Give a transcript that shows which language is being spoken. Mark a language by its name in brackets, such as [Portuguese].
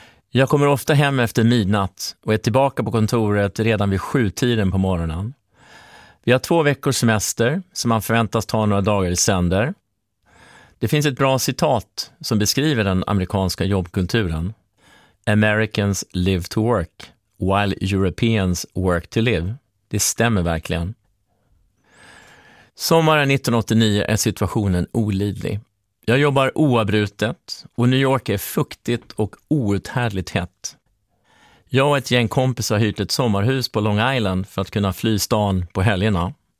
[Swedish] Jag kommer ofta hem efter midnatt och är tillbaka på kontoret redan vid 7-tiden på morgonen. Vi har 2 veckors semester som man förväntas ta några dagar i sänder. Det finns ett bra citat som beskriver den amerikanska jobbkulturen. [English] Americans live to work, while Europeans work to live. [Swedish] Det stämmer verkligen. Sommaren 1989 är situationen olidlig. Jag jobbar oavbrutet och New York är fuktigt och outhärdligt hett. Jag och ett gäng kompis har hyrt ett sommarhus på Long Island för att kunna fly stan på helgerna.